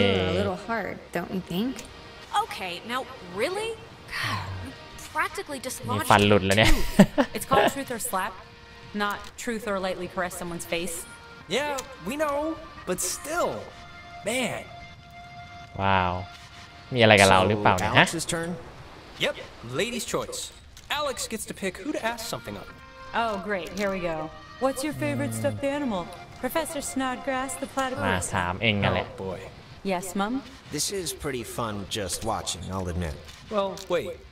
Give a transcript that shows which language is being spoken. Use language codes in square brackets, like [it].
[en] A little hard, don't you think? Okay, now really? Practically dislodged. [th] ฟันหลุดแล้วเนี่ย [en] It's called truth or slap, not truth or lightly caress someone's face. Yeah, we know, but still, man. [th] Wow, มีอะไรกับเราหรือเปล่าเนี่ยฮะ [en] Alex's turn. Yep, lady's choice. Alex gets to pick who to ask something of. Oh great, here we go. What's your favorite stuffed animal? Professor Snodgrass, the platypus. Oh boy. Yes, Mum. This is pretty fun just watching. I'll admit. Well, wait.